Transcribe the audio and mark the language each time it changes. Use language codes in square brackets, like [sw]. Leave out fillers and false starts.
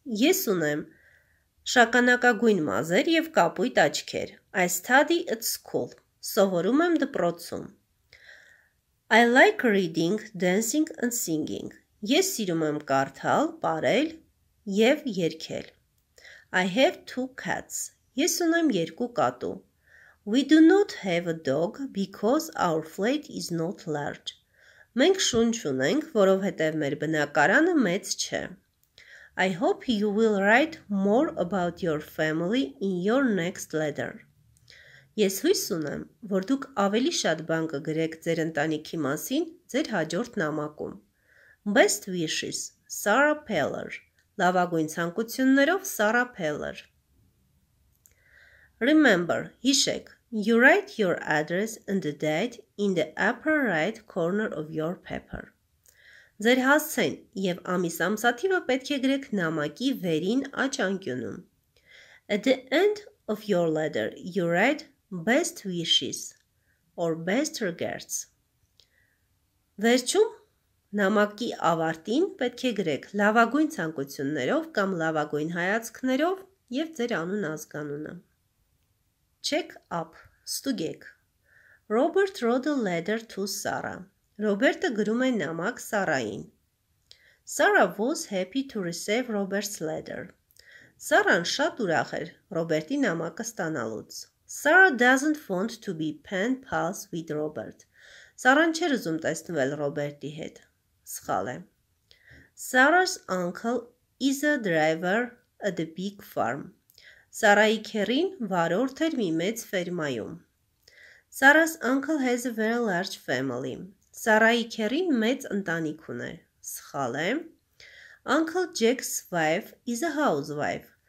[hy] Ես ունեմ շագանակագույն մազեր եւ կապույտ աչքեր. [en] I study at school. [hy] Սովորում եմ դպրոցում. [en] I like reading, dancing and singing. [hy] Ես սիրում եմ կարդալ, պարել եւ երգել. [en] I have two cats. [hy] Ես ունեմ երկու կատու. [en] We do not have a dog because our flat is not large. [hy] Մենք շունչ ունենք, որովհետև մեր բնակարանը մեծ չէ. [en] I hope you will write more about your family in your next letter. [hy] Ես հույս ունեմ, որ դուք ավելի շատ բան կգրեք ձեր ընտանիքի մասին ձեր հաջորդ նամակում. [en] Best wishes, Sarah Peller. [hy] Լավագույն ցանկություններով, [en] Sarah Peller. Remember, [hy] հիշեք, [en] you write your address and the date in the upper right corner of your paper. [hy] Ձեր հասցեն եւ ամիս ամսաթիվը պետք է գրեք նամակի վերին աջ անկյունում. [en] At the end of your letter, you write best wishes or best regards. [hy] Վերջում նամակի ավարտին պետք է գրեք լավագույն ցանկություններով կամ լավագույն հայացքներով եւ ձեր անուն ազգանունը. [en] Check up. [hy] Ստուգեք. [en] Robert wrote a letter to Sarah. [hy] Ռոբերտը գրում է նամակ Սառային. [en] Sarah was happy to receive Robert's letter. [hy] Սառան շատ ուրախ էր Ռոբերտի նամակը ստանալուց. [en] Sarah doesn't want to be pen pals with Robert. [hy] Սառան չեր ուզում տեսնվել Ռոբերտի հետ. Սխալ է. [en] Sarah's uncle is a driver at the big farm. [hy] Սառայի քերին վարորդ էր մի մեծ ֆերմայում. [en] Sarah's uncle has a very large family. [hy] Սառայի քերին մեծ ընտանիք ունի։ Սխալ է։ [en] Uncle Jack's wife is a housewife.